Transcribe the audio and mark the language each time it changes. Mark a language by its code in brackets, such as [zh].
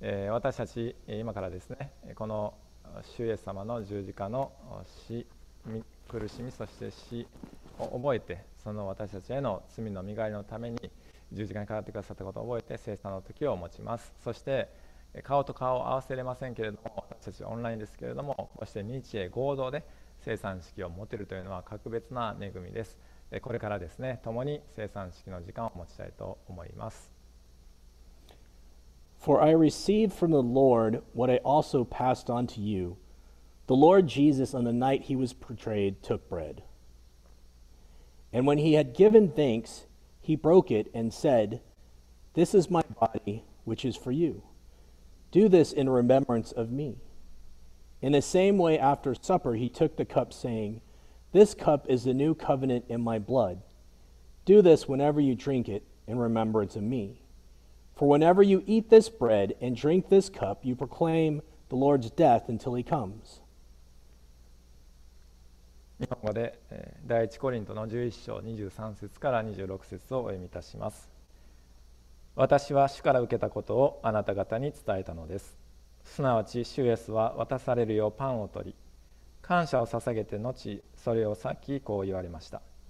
[ja] 私たち、今からですね、この主イエス様の十字架の死、苦しみ、そして死を覚えて、その私たちへの罪の身代わりのために十字架にかかってくださったことを覚えて、聖餐の時を持ちます。そして顔と顔を合わせれませんけれども、私たちオンラインですけれども、こうして日英合同で聖餐式を持てるというのは格別な恵みです。これからですね、共に聖餐式の時間を持ちたいと思います。 [en] For I received from the Lord what I also passed on to you. The Lord Jesus, on the night he was betrayed, took bread. And when he had given thanks, he broke it and said, This is my body, which is for you. Do this in remembrance of me. In the same way, after supper, he took the cup, saying, This cup is the new covenant in my blood. Do this whenever you drink it in remembrance of me. For whenever you eat this bread and drink this cup, you proclaim the Lord's death until he comes. [ja] 日本語で第一コリントの11章23節から26節をお読みいたします。私は主から受けたことをあなた方に伝えたのです。すなわち主イエスは渡されるようパンを取り、感謝を捧げて後それを裂きこう言われました。